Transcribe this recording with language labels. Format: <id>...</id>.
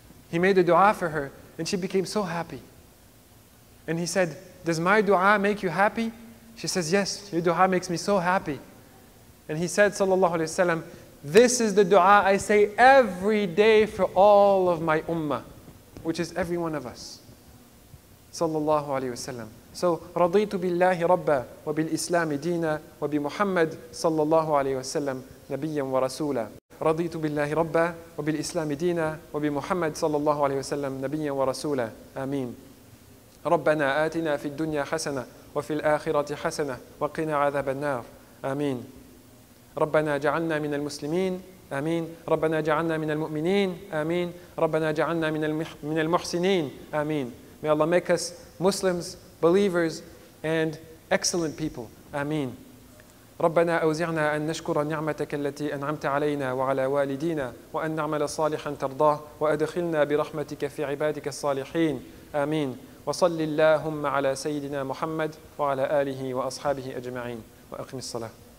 <en>He made a dua for her and she became so happy. And he said, does my dua make you happy? She says, yes, your dua makes me so happy. And he said, sallallahu alayhi wa sallam, this is the dua I say every day for all of my ummah, which is every one of us. Sallallahu alayhi wa sallam.</en> <ar>So, رَضِيْتُ بِاللَّهِ رَبَّا وَبِالْإِسْلَامِ دِينًا وَبِمُحَمَّدٍ sallallahu alayhi wa sallam نَبِيًّا وَرَسُولًا. رَضِيْتُ بِاللَّهِ رَبَّا وَبِالْإِسْلَامِ دِينًا وَبِمُحَمَّدٍ sallallahu alayhi wa sallam نَبِيًّا وَرَسُولًا. آمين. ربنا آتنا في الدنيا حسنة وفي الآخرة حسنة وقنا عذاب النار. آمين. ربنا جعلنا من المسلمين. آمين. ربنا جعلنا من المؤمنين. آمين. ربنا جعلنا من المحسنين. آمين.</ar> <en>May Allah make us Muslims, believers, and excellent people.</en> <ar>Ameen. ربنا أوزعنا أن نشكر نعمتك التي أنعمت علينا وعلى والدينا وأن نعمل صالحا ترضاه وأدخلنا برحمتك في عبادك الصالحين. Ameen. وصل اللهم على سيدنا محمد وعلى آله وأصحابه أجمعين. وأقم الصلاة.</ar>